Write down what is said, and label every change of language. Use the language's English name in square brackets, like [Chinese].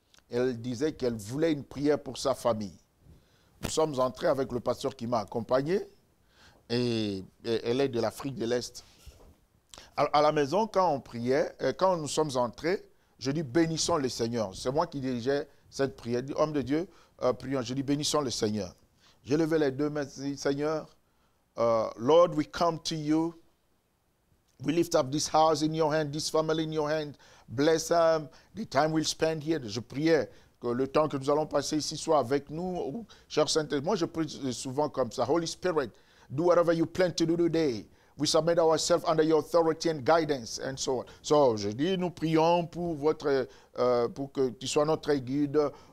[French] Elle disait qu'elle voulait une prière pour sa famille. Nous sommes entrés avec le pasteur qui m'a accompagné, et elle est de l'Afrique de l'Est. À la maison, quand on priait, quand nous sommes entrés, je dis « Bénissons le Seigneur ». C'est moi qui dirigeais cette prière. « Homme de Dieu, prions. » Je dis « Bénissons le Seigneur ». J'ai levé les deux mains et dit « Seigneur, [English] Lord, we come to you. We lift up this house in your hand, this family in your hand. Bless them, the time we'll spend here. [French] » Je priais que le temps que nous allons passer ici soit avec nous. Oh, cher Saint-Esprit, moi je prie souvent comme ça. « [English] Holy Spirit, do whatever you plan to do today. We submit ourselves under your authority and guidance, and so on. [French] » So, je dis, nous prions pour pour que tu sois notre guide.